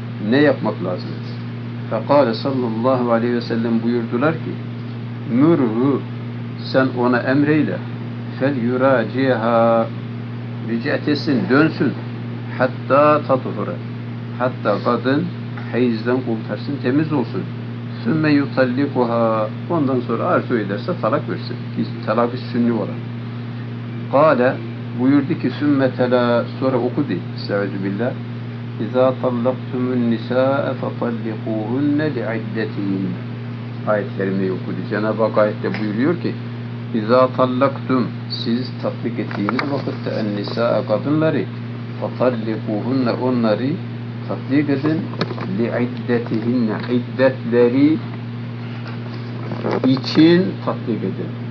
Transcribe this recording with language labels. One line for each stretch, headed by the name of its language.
Turkish: Ne yapmak lazım? Fekale sallallahu aleyhi ve sellem buyurdular ki Mürhu sen ona emreyle fel yuraciha ricat etsin, dönsün hatta tatuhure hatta kadın heyizden kurtarsın, temiz olsun sümme yutallikuha ondan sonra arzu ederse talak versin. Talak-ı sünni olan. Kale buyurdu ki sümme tela sonra okudu. Estaizu billah.
Arabic: اِذَا طَلَّقْتُمُ النِّسَاءَ فَطَلِّقُوهُنَّ لِعِدَّتِهِنَّ
Turkish: ayet-i kerimeyi okudu. Cenab-ı Hak ayette buyuruyor ki
Arabic: اِذَا طَلَّقْتُمْ
Turkish: siz tatbik ettiğiniz vakitte النِّسَاءَ kadınları فَطَلِّقُوهُنَّ onları tatbik edin لِعِدَّتِهِنَّ iddetleri için tatbik edin.